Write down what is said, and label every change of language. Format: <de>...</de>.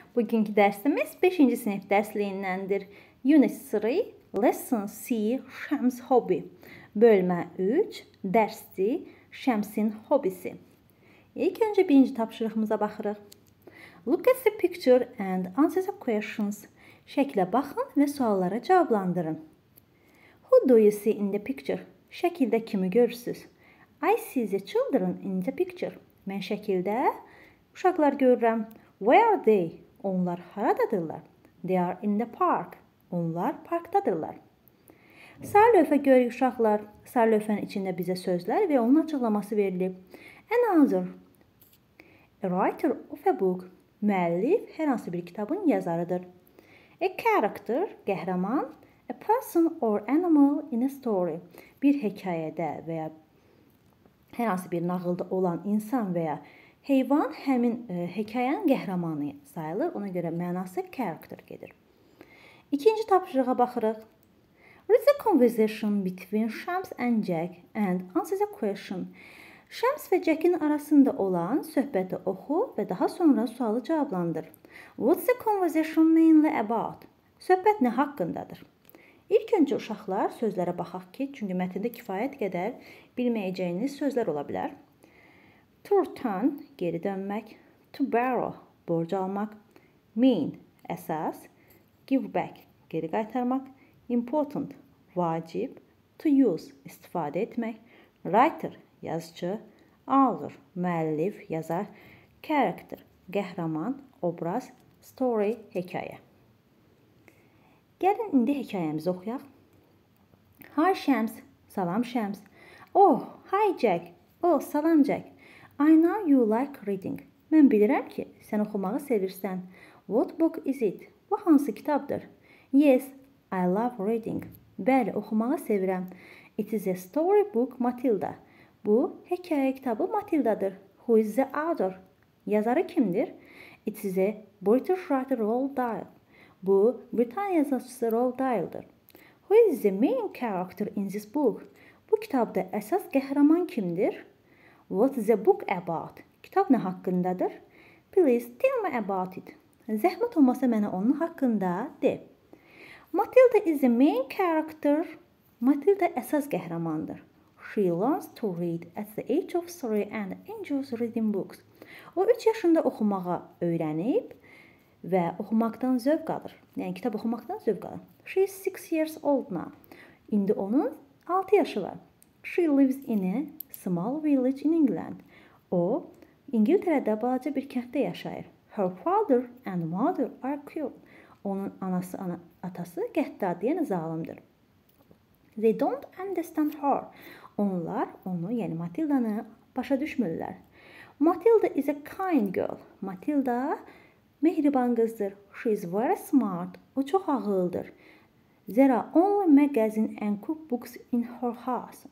<az>Bugünkü dərsimiz 5-ci sinif dərsliyindəndir.</az> <en>Unit 3, Lesson C, Şəms hobby.</en> <az>Bölmə 3, dərsi, Şəmsin hobbisi. İlk öncə 1-ci tapşırıqımıza baxırıq.</az> <en>Look at the picture and answer the questions.</en> <az>Şəklə baxın və suallara cavablandırın.</az> <en>Who do you see in the picture?</en> <az>Şəkildə kimi görürsünüz?</az> <en>I see the children in the picture.</en> <az>Mən şəkildə uşaqlar görürəm.</az> <en>Where are they?</en> <az>Onlar haradadırlar?</az> <en>They are in the park.</en> <az>Onlar parkdadırlar. Sarı lövhə görürük uşaqlar. Sarı lövhənin içində bizə sözlər və onun açıqlaması verilib.</az> <en>An author. A writer of a book.</en> <az>Müəllif hər hansı bir kitabın yazarıdır.</az> <en>A character. Qəhrəman. A person or animal in a story.</en> <az>Bir hekayədə və ya hər hansı bir nağılda olan insan və ya heyvan həmin hekayənin qəhrəmanı sayılır, ona görə mənası character gedir. İkinci tapşırığa baxırıq.</az> <en>Read the conversation between Shams and Jack and answer the question.</en> <az>Shams və Jack'in arasında olan söhbəti oxu və daha sonra sualı cavablandır.</az> <en>What's the conversation mainly about?</en> <az>Söhbət nə haqqındadır? İlk öncə uşaqlar sözlərə baxaq ki, çünki mətndə kifayət qədər bilməyəcəyiniz sözlər ola bilər.</az> <en>To return,</en> <az>geri dönmək.</az> <en>To borrow,</en> <az>borc almaq.</az> <en>Mean,</en> <az>əsas.</az> <en>Give back,</en> <az>geri qaytarmaq.</az> <en>Important,</en> <az>vacib.</az> <en>To use,</en> <az>istifadə etmək.</az> <en>Writer,</en> <az>yazıcı.</az> <en>Author,</en> <az>müəllif, yazar.</az> <en>Character,</en> <az>qəhrəman, obraz.</az> <en>Story,</en> <az>hekayə. Gəlin, indi hekayəmizi oxuyaq.</az> <en>Hi, Shams.</en> <az>Salam, Shams.</az> <en>Oh, hi, Jack.</en> <az>Oh, salam, Jack.</az> <en>I know you like reading.</en> <az>Mən bilirəm ki, sən oxumağı sevirsən.</az> <en>What book is it?</en> <az>Bu hansı kitabdır?</az> <en>Yes, I love reading.</en> <az>Bəli, oxumağı sevirəm.</az> <en>It is a story book, Matilda.</en> <az>Bu, hekayə kitabı Matilda'dır.</az> <en>Who is the author?</en> <az>Yazarı kimdir?</az> <en>It is a British writer, Roald Dahl.</en> <az>Bu, Britanya yazıcısı Roald Dahl'dır.</az> <en>Who is the main character in this book?</en> <az>Bu kitabda əsas qəhrəman kimdir?</az> <en>What is the book about?</en> <az>Kitab nə haqqındadır?</az> <en>Please tell me about it.</en> <az>Zəhmət olmasa mənə onun haqqında de.</az> <en>Matilda is the main character.</en> <az>Matilda əsas qəhrəmandır.</az> <en>She learns to read at the age of 3 and enjoys reading books.</en> <az>O 3 yaşında oxumağı öyrənib və oxumaqdan zövq alır. Yəni kitab oxumaqdan zövq alır.</az> <en>She is 6 years old now.</en> <az>İndi onun 6 yaşı var.</az> <en>She lives in a small village in England.</en> <az>O, İngiltərədə balaca bir kənddə yaşayır.</az> <en>Her father and mother are cruel.</en> <az>Onun anası, atası qəddar, yəni zalimdir.</az> <en>They don't understand her.</en> <az>Onlar onu, yəni Matilda'nı başa düşmürlər.</az> <en>Matilda is a kind girl.</en> <az>Matilda mehriban qızdır.</az> <en>She is very smart.</en> <az>O çox ağıldır.</az> <en>There are only magazine and cookbooks in her house.</en>